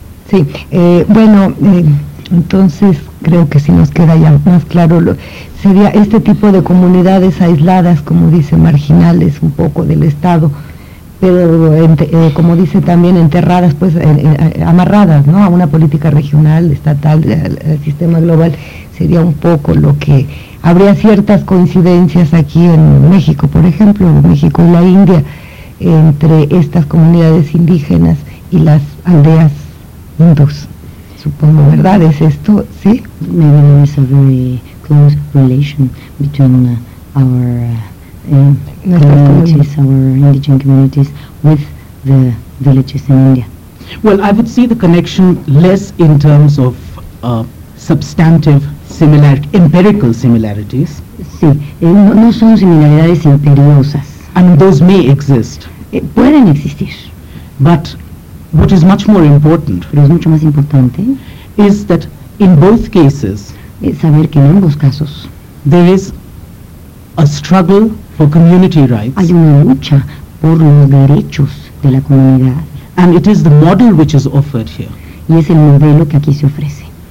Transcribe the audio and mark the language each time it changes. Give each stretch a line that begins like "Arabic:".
Spanish: sí, entonces creo que si nos queda ya más claro lo sería este tipo de comunidades aisladas, como dice, marginales un poco del Estado, pero como dice también, enterradas, pues amarradas, ¿no?, a una política regional, estatal, al sistema global. Sería un poco lo que habría ciertas coincidencias aquí en México, por ejemplo, en México y la India, entre estas comunidades indígenas y las aldeas hindús, supongo, ¿verdad? ¿Es esto? ¿Sí? Me viene a saber
English: close relation between our indigenous communities with the villages in India. Well, I would see the connection less in terms of substantive empirical similarities.
Spanish: Sí, no son similaridades imperiosas.
English: And those may exist.
Spanish: Pueden existir.
English: But what is much more important,
Spanish: pero es mucho más importante,
English: is that in both cases,
Spanish: saber que en ambos casos,
English: there is a struggle for community rights,
Spanish: hay una lucha por los derechos de la comunidad,
English: and it is the model which is offered here,
Spanish: y es el modelo que aquí se ofrece,